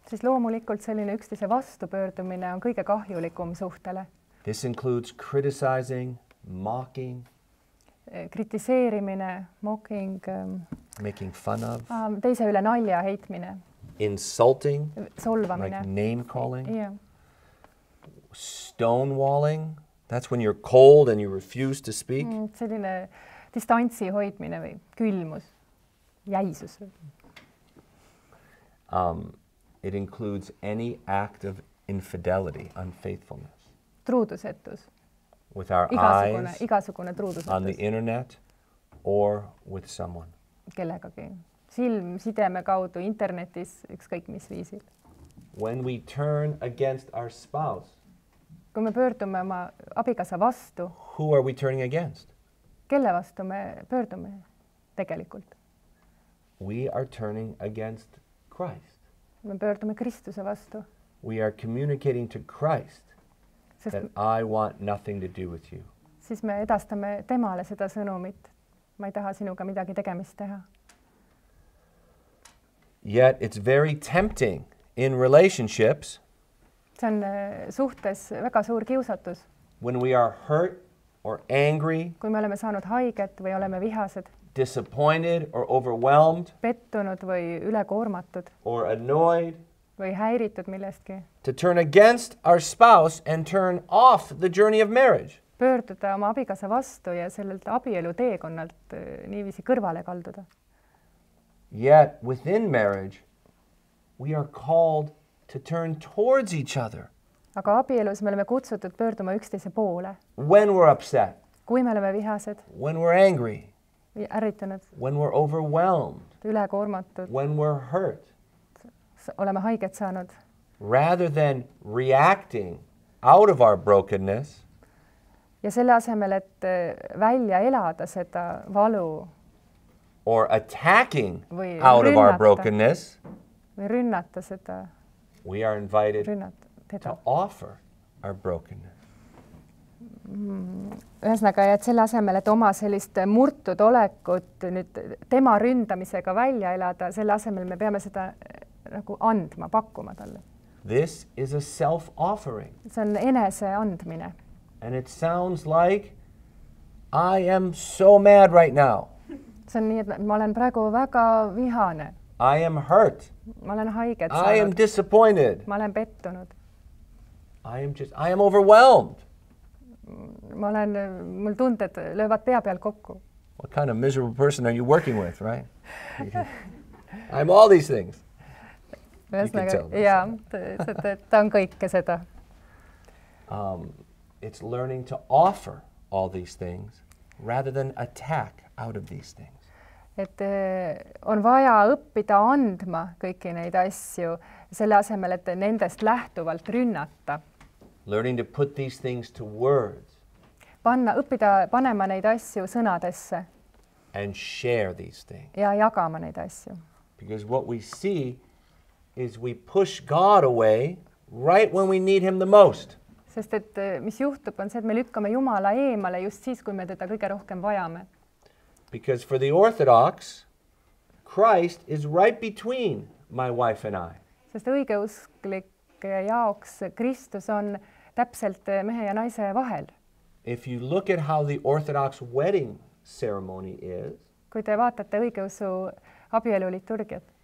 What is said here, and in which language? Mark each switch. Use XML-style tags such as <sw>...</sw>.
<et>Siis loomulikult selline üksteise vastu pöördumine on kõige kahjulikum suhtele.</et> <en>This includes criticizing, mocking,</en> <et>kritiseerimine, mocking,</et> <en>making fun of,</en> <et>teise üle nalja heitmine,</et> <en>insulting,</en> <et>solvamine,</et> <en>like name calling, yeah, stonewalling, that's when you're cold and you refuse to speak,</en> <et>selline distantsi hoidmine või külmus, jäisus.</et> <en>It includes any act of infidelity, unfaithfulness.</en> <et>Truudusetus.</et> <en>With our</en> <et>igasugune,</et> <en>eyes on the internet or with someone.</en> <et>Kellegagi. Silm sideme kaudu internetis ükskõik mis viisil.</et> <en>When we turn against our spouse.</en> <et>Kui me pöördume oma abikaasa vastu.</et> <en>Who are we turning against?</en> <et>Kelle vastu me pöördume tegelikult?</et> <en>We are turning against Christ.</en> <et>Me pöördume Kristuse vastu.</et> <en>We are communicating to Christ that I want nothing to do with you.</en> <et>Siis me edastame temale seda sõnumit. Ma ei taha sinuga midagi tegemist teha.</et> <en>Yet it's very tempting in relationships.</en> <et>See on suhtes väga suur kiusatus.</et> <en>When we are hurt or angry.</en> <et>Kui me oleme saanud haiget või oleme vihased.</et> <en>Disappointed or overwhelmed.</en> <et>Pettunud või ülekoormatud.</et> <en>Or annoyed.</en> <et>Või häiritud millestki.</et> <en>To turn against our spouse and turn off the journey of marriage.</en> <et>Pöörduda oma abikaasa vastu ja sellelt abielu teekonnalt niiviisi kõrvale kalduda.</et> <en>Yet within marriage we are called to turn towards each other.</en> <et>Aga abielus me oleme kutsutud pöörduma üksteise poole.</et> <en>When we're upset.</en> <et>Kui me oleme vihased.</et> <en>When we're angry.</en> <et>Ärritunud.</et> <en>When we're overwhelmed.</en> <et>Ülekoormatud.</et> <en>When we're hurt.</en> <et>Oleme haiget saanud.</et> <en>Rather than reacting out of our brokenness.</en> <et>Ja selle asemel, et välja elada seda valu.</et> <en>Or attacking out of our brokenness.</en> <et>Või rünnata seda.</et> <en>We are invited</en> <et>rünnata</et> <en>to offer our brokenness.</en> <et>Ühesnaga, et selle asemel, et oma sellist murtud olekut nüüd tema ründamisega välja elada, selle asemel me peame seda nagu andma, pakkuma talle.</et> <en>This is a self-offering.</en> <et>See on enese andmine.</et> <en>And it sounds like I am so mad right now.</en> <et>See on nii, et ma olen praegu väga vihane.</et> <en>I am hurt.</en> <et>Ma olen haiget saanud.</et> <en>I am disappointed.</en> <et>Ma olen pettunud.</et> <en>I am overwhelmed.</en> <et>Ma olen, mul tunded löövad pea peal kokku.</et> <en>What kind of miserable person are you working with, right? I'm all these things.</en> <et>Ta on kõike seda.</et> <en>It's learning to offer all these things rather than attack out of these things.</en> <et>Et on vaja õppida andma kõiki neid asju selle asemel, et nendest lähtuvalt rünnata.</et> <en>Learning to put these things to words.</en> <et>Panema neid asju sõnadesse.</et> <en>And share these things.</en> <et>Ja jagama neid asju.</et> <en>Because what we see is we push God away right when we need him the most.</en> <et>Sest et mis juhtub on see, et me lükkame Jumala eemale just siis, kui me teda kõige rohkem vajame.</et> <en>Because for the Orthodox, Christ is right between my wife and I.</en> <et>Sest õigeusklik jaoks Kristus on täpselt mehe ja naise vahel.</et> <en>If you look at how the Orthodox wedding ceremony is,</en> <et>kui te vaatate õigeusu abielu liturgiat,</et>